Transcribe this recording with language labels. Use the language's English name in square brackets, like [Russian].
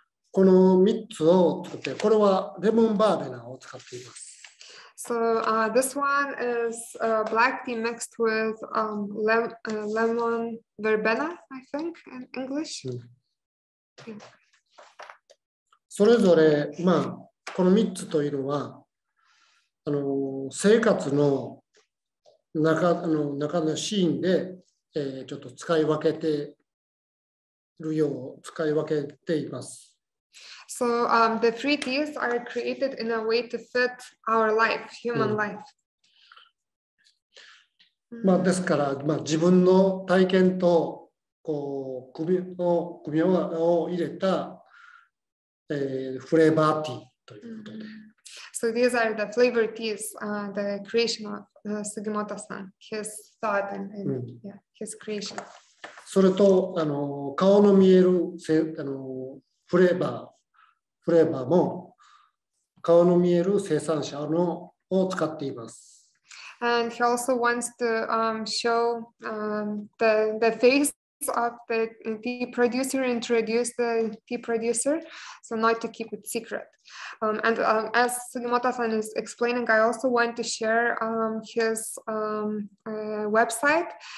[Japanese] この3つを作って、これはレモンバーベナを使っています。 [English] So this one is black tea mixed with lemon verbena, I think, in English.、 [Japanese] それぞれ、まあ、この3つというのは、生活の中のシーンで、ちょっと使い分けてるよう使い分けています。 [English] So, the three teas are created in a way to fit our life, human life.、 [Japanese] まあ、ですから、まあ、自分の体験とこう組み合わせを入れた、フレーバーティーということで。 [English] So these are the flavor teas, the creation of Sugimoto-san, his thought and his creation. [Japanese] それと顔の見えるフレーバーも顔の見える生産者のを使っています。 [English] And he also wants to show the face of the tea producer, introduce the tea producer, so not to keep it secret. As Sugimoto-san is explaining, I also want to share his website.